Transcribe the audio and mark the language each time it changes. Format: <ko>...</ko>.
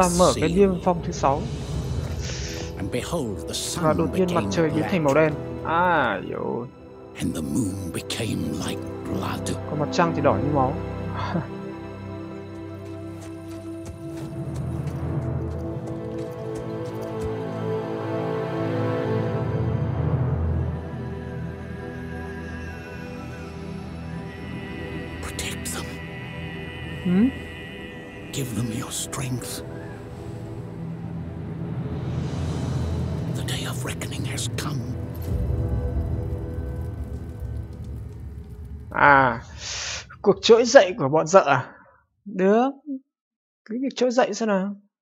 <vi>Ông ta mở cái niêm phong thứ sáu.</vi> <en>And behold, the sun.</en> <vi>Và đột nhiên mặt trời biến thành màu đen. À, yếu.</vi> <en>And the moon became like blood.</en> <vi>Còn mặt trăng thì đỏ như máu.</vi> <en>Give them your strength. The day of reckoning has come.</en> <vi>À, cuộc trỗi dậy của bọn dợ à? Được. Cứ việc trỗi dậy xem nào.</vi>